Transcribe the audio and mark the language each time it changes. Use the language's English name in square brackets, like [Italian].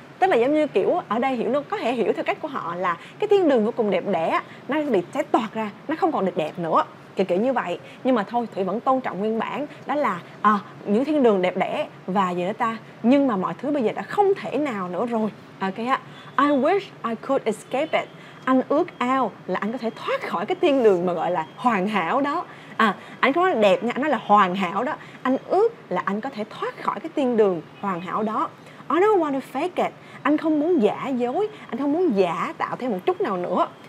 [Vietnamese] Tức là giống như kiểu ở đây hiểu, nó có thể hiểu theo cách của họ là cái thiên đường vô cùng đẹp đẽ nó bị xé toạc ra, nó không còn được đẹp nữa, kiểu kiểu như vậy. Nhưng mà thôi, Thủy vẫn tôn trọng nguyên bản, đó là những thiên đường đẹp đẽ và gì đó ta, nhưng mà mọi thứ bây giờ đã không thể nào nữa rồi. [English] Ok á, I wish I could escape it. [Vietnamese] Anh ước ao là anh có thể thoát khỏi cái thiên đường mà gọi là hoàn hảo đó. À, anh không nói là đẹp nha, anh nói là hoàn hảo đó. Anh ước là anh có thể thoát khỏi cái thiên đường hoàn hảo đó. [English] I don't want to fake it. [Vietnamese] Anh không muốn giả dối, anh không muốn giả tạo thêm một chút nào nữa.